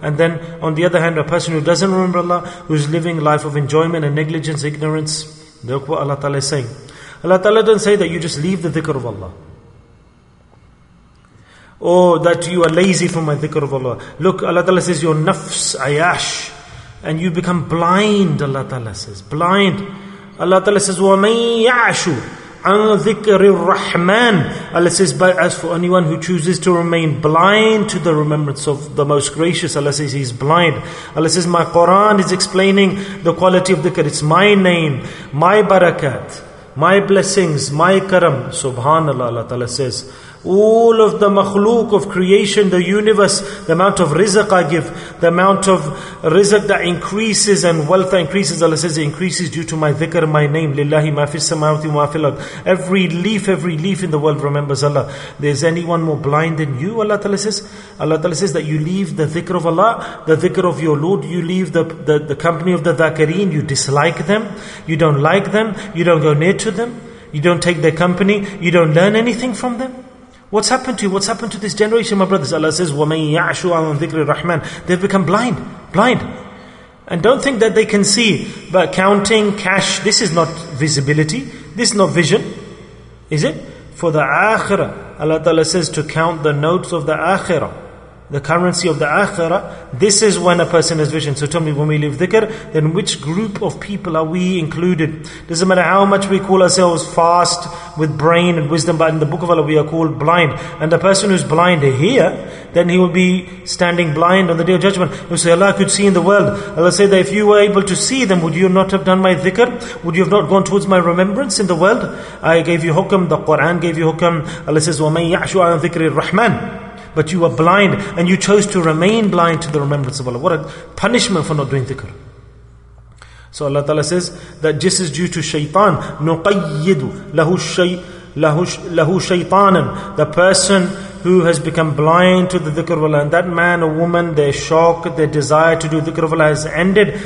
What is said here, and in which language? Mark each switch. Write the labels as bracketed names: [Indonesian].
[English] And then on the other hand, a person who doesn't remember Allah, who is living a life of enjoyment and negligence, ignorance, look what Allah Ta'ala is saying. Allah Ta'ala doesn't say that you just leave the dhikr of Allah. Or that you are lazy from my dhikr of Allah. Look, Allah Ta'ala says your nafs, ayash. And you become blind, Allah Ta'ala says. Blind. Allah Ta'ala says, [Arabic] وَمَنْ يَعْشُ عَنْ ذِكْرِ الرَّحْمَنِ. [English] Allah says, but as for anyone who chooses to remain blind to the remembrance of the Most Gracious, Allah says he's blind. Allah says, my Quran is explaining the quality of dhikr. It's my name, my barakat, my blessings, my karam. SubhanAllah, Allah Ta'ala says, All of the makhluk of creation, the universe, the amount of rizq I give, the amount of rizq that increases and wealth that increases, Allah says it increases due to my dhikr, my name, [Arabic] lillahi ma fis samawati wa ma fil ard. [English] Every leaf in the world remembers Allah. There's anyone more blind than you, Allah Ta'ala says? Allah Ta'ala says that you leave the dhikr of Allah, the dhikr of your Lord, you leave the company of the dhakareen, you dislike them, you don't like them, you don't go near to them, you don't take their company, you don't learn anything from them. What's happened to you? What's happened to this generation, my brothers? Allah says, [Arabic] وَمَن يَعْشُ عَن ذِكْرِ الرَّحْمَنِ. [English] They've become blind. Blind. And don't think that they can see. But counting cash, this is not visibility. This is not vision. Is it? For the Akhirah, Allah Ta'ala says to count the notes of the Akhirah, the currency of the Akhirah, this is when a person has vision. So tell me, when we leave dhikr, then which group of people are we included? Doesn't matter how much we call ourselves fast with brain and wisdom, but in the book of Allah we are called blind. And the person who's blind here, then he will be standing blind on the day of judgment. You say, Allah could see in the world. Allah said that if you were able to see them, would you not have done my dhikr? Would you have not gone towards my remembrance in the world? I gave you hukam, the Quran gave you hukam. Allah says, [Arabic] وَمَن يَعْشُ عَن ذِكْرِ الرَّحْمَنِ. [English] But you were blind and you chose to remain blind to the remembrance of Allah. What a punishment for not doing dhikr. So Allah Ta'ala says that this is due to shaytan. [Arabic] نُقَيِّدُ لَهُ شَيْطَانًا. [English] The person who has become blind to the dhikr of Allah, and that man or woman, their shock, their desire to do dhikr of Allah has ended.